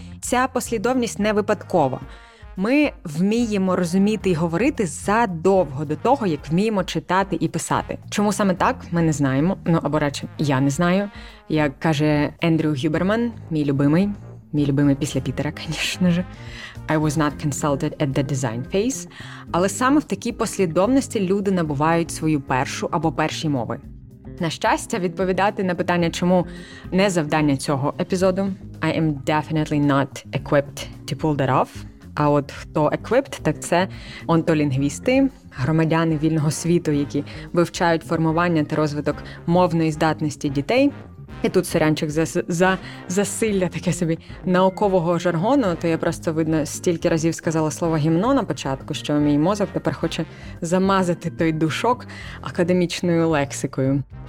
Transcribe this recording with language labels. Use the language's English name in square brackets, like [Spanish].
[Ukrainian] Ця послідовність не випадкова. Ми вміємо розуміти і говорити задовго до того, як вміємо читати і писати. Чому саме так, ми не знаємо. Ну, або радше, я не знаю. Як каже Ендрю Гюберман, мій любимий, після Пітера, звісно ж. [English] I was not consulted at the design phase. [Ukrainian] Але саме в такій послідовності люди набувають свою першу або перші мови. На щастя, відповідати на питання «чому» не завдання цього епізоду. [English] I am definitely not equipped to pull that off. [Ukrainian] А от хто equipped, так це онтолінгвісти, громадяни вільного світу, які вивчають формування та розвиток мовної здатності дітей. І тут сорянчик за засилля таке собі наукового жаргону, то я просто, видно, стільки разів сказала слово «гімно» на початку, що мій мозок тепер хоче замазати той душок академічною лексикою.